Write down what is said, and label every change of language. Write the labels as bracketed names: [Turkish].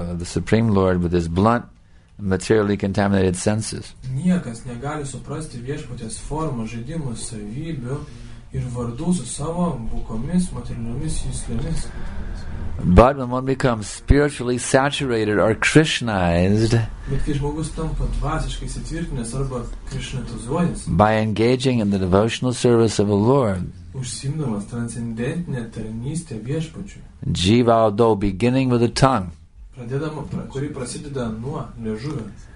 [English] of the Supreme Lord with his blunt, materially contaminated senses. [Lithuanian] Niekas negali suprasti viešpaties formų, žaidimų, savybių ir vardų su savo bukomis, materialiomis jislėmis. [English] But when one becomes spiritually saturated or Krishnaized, [Lithuanian] bet kai žmogus tampa dvasiškai įsitvirtinęs arba krishnatizuojas, [English] by engaging in the devotional service of the Lord, [Lithuanian] užsiimdamas transcendentinę tarnystę viešpačiui, [English] jivado, beginning with the tongue, [Lithuanian] kuri prasideda nuo liežuvio.